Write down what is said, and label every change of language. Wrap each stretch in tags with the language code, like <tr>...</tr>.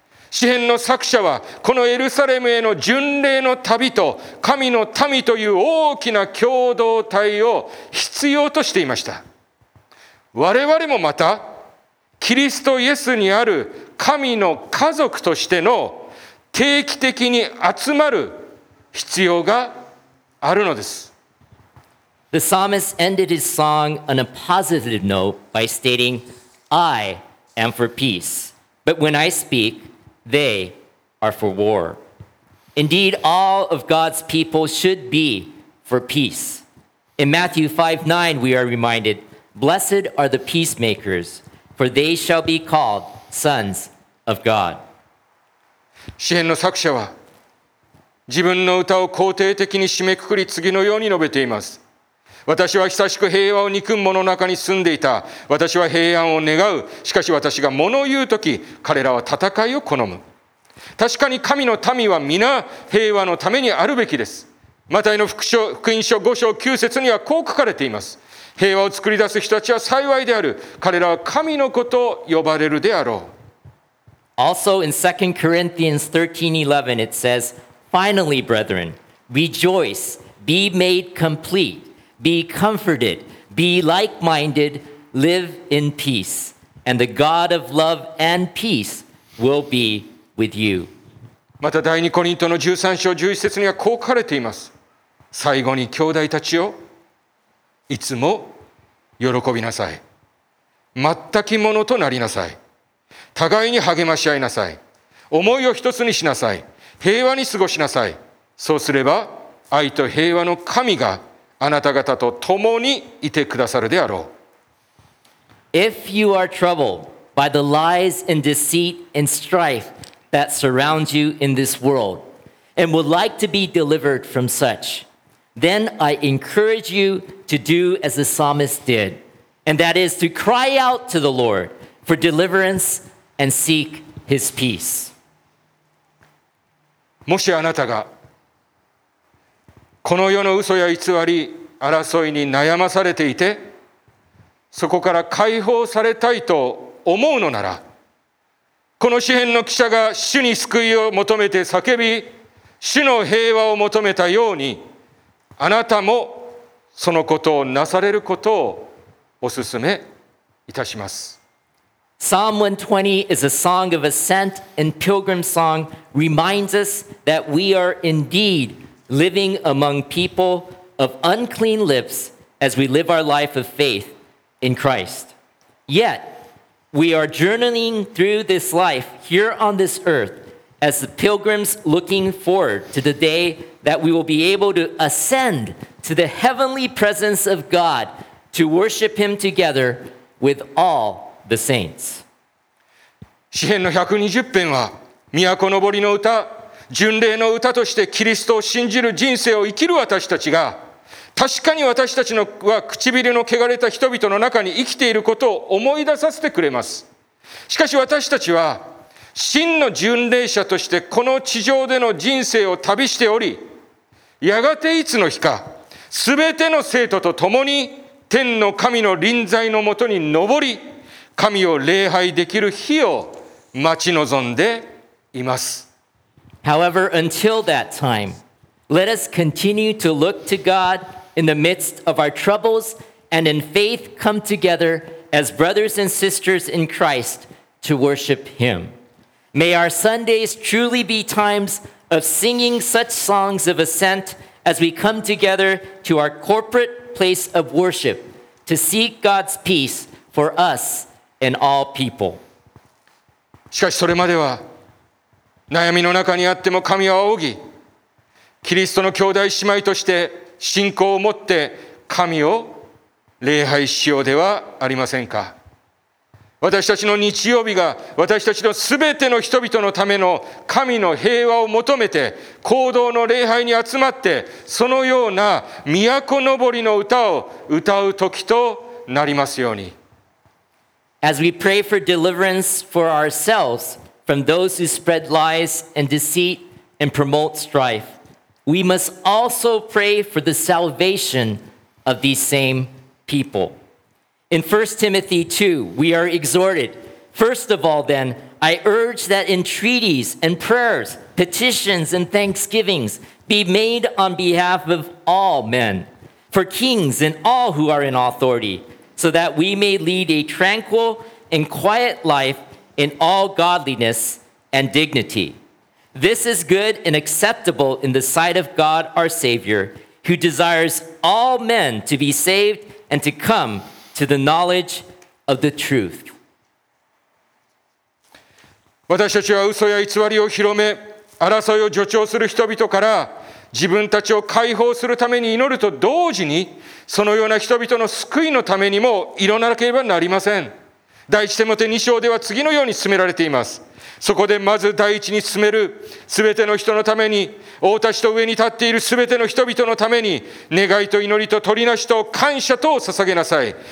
<ja>詩編の作者は、このエルサレムへの巡礼の旅と神の民という大きな共同体を必要としていました。我々もまた、キリストイエスにある神の家族としての定期的に集まる必要があるのです。</ja> <en>The psalmist ended his song on a positive note by stating, IAnd for peace, but when I speak, they are for war. Indeed, all of God's people should be for peace. In Matthew 5:9, we are reminded, Blessed are the peacemakers, for they shall be called sons of God.</en> <ja>詩編の作者は、自分の歌を肯定的に締めくくり、次のように述べています。私は久しく平和を憎む者の中に住んでいた。私は平安を願う。しかし私が物を言うとき、彼らは戦いを好む。確かに神の民は皆平和のためにあるべきです。マタイの福音書5章9節にはこう書かれています。平和を作り出す人たちは幸いである。彼らは神の子と呼ばれるであろう。</ja> <en>Also in 2 Corinthians 13:11 it says, Finally, brethren, rejoice. be made complete, be comforted, be like-minded, live in peace, and the God of love and peace will be with you.</en> <ja>また第二コリントの13章11節にはこう書かれています。最後に兄弟たちよ、いつも喜びなさい。全きものとなりなさい。互いに励まし合いなさい。思いを一つにしなさい。平和に過ごしなさい。そうすれば愛と平和の神があなた方と共にいてくださるであろう。</ja> <en>If you are troubled by the lies and deceit and strife that surround you in this world and would like to be delivered from such, then I encourage you to do as the psalmist did, and that is to cry out to the Lord for deliverance and seek his peace.</en> <ja>もしあなたがこの世の嘘や偽り、争いに悩まされていて、そこから解放されたいと思うのなら、この詩篇の記者が主に救いを求めて叫び、主の平和を求めたように、あなたもそのことをなされることをお勧めいたします。</ja> <en>Psalm 120 is a song of ascent and pilgrim song, reminds us that we are indeed living among people of unclean lips as we live our life of faith in Christ. Yet, we are journeying through this life here on this earth as the pilgrims looking forward to the day that we will be able to ascend to the heavenly presence of God to worship Him together with all the saints.</en> <ja>詩篇の120編は都登りの歌、巡礼の歌としてキリストを信じる人生を生きる私たちが、確かに私たちは唇の汚れた人々の中に生きていることを思い出させてくれます。しかし私たちは真の巡礼者としてこの地上での人生を旅しており、やがていつの日か全ての生徒と共に天の神の臨在のもとに登り、神を礼拝できる日を待ち望んでいます。</ja> <en>However, until that time, let us continue to look to God in the midst of our troubles and in faith come together as brothers and sisters in Christ to worship Him. May our Sundays truly be times of singing such songs of ascent as we come together to our corporate place of worship to seek God's peace for us and all people.</en> <ja>しかしそれまでは悩みの中にあっても神は仰ぎ、キリストの兄弟姉妹として信仰を持って神を礼拝しようではありませんか。私たちの日曜日が私たちのすべての人々のための神の平和を求めて行動の礼拝に集まって、そのような都登りの歌を歌う時となりますように。</ja> <en>As we pray for deliverance for ourselves from those who spread lies and deceit and promote strife, we must also pray for the salvation of these same people. In 1 Timothy 2, we are exhorted, first of all then, I urge that entreaties and prayers, petitions and thanksgivings be made on behalf of all men, for kings and all who are in authority, so that we may lead a tranquil and quiet life in all godliness and dignity. This is good and acceptable in the sight of God our Savior, who desires all men to be saved and to come to the knowledge of the truth.</en> <ja>私たちは嘘や偽りを広め、争いを助長する人々から自分たちを解放するために祈ると同時に、そのような人々の救いのためにも祈らなければなりません。第一テモテ2章では次のように進められています。そこでまず第一に進める、すべての人のために、王たちと上に立っているすべての人々のために、願いと祈りと取りなしと感謝とを捧げなさい。</ja>